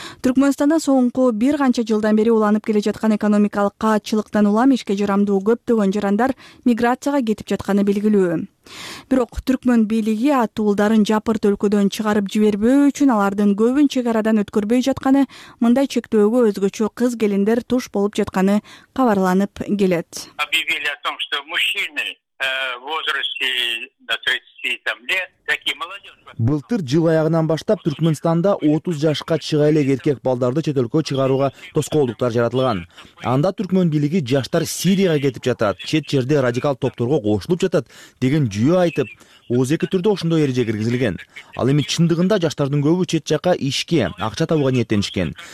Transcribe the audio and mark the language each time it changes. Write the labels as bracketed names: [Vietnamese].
[Kyrgyz] Түркмөнстанда соңку бир канча жылдан бери уланып келе жаткан экономикалык каатчылыктан улам ишке жарамдуу көптөгөн жарандар миграцияга кетип жатканы белгилүү. Бирок түркмөн бийлиги атуулдарын жапырт өлкөдөн чыгарып жибербөө үчүн алардын көбүн чек арадан өткөрбөй жатканы, мындай чектөөгө өзгөчө кыз келиндер туш болуп жатканы кабарланып келет. [Russian] Объявили о том, что мужчины в возрасте до 30 лет. [Kyrgyz] Былтыр жыл аягынан баштап Түркмөнстанда 30 жашка чыга элек эркек балдарды чет өлкө чыгарууга тоскоолдуктар жаратылган. Анда түркмөн бийлиги жаштар Сирияга кетип жатат, чет жерде радикал топторго кошулуп жатат деген жүйө айтып, 12 түрдө ошондой эреже киргизилген. Ал эми чындыгында жаштардын көбү чет жака ишке, акча табууга ниеттенишкен.